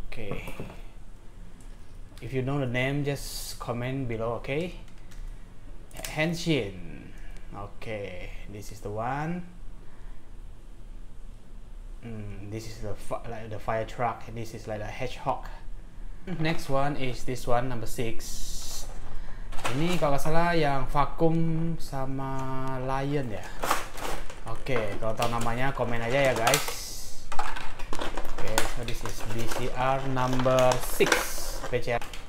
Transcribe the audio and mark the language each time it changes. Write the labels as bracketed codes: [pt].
[en] Okay. If you know the name just comment below, okay? Henshin. Oke, okay, this is the one. This is the like the fire truck. This is like a hedgehog. Next one is this one number 6. [id] Ini kalau nggak salah yang vakum sama lion ya. Oke, okay, kalau tahu namanya komen aja ya guys. [en] Oke, okay, so this is BCR number 6 PCR.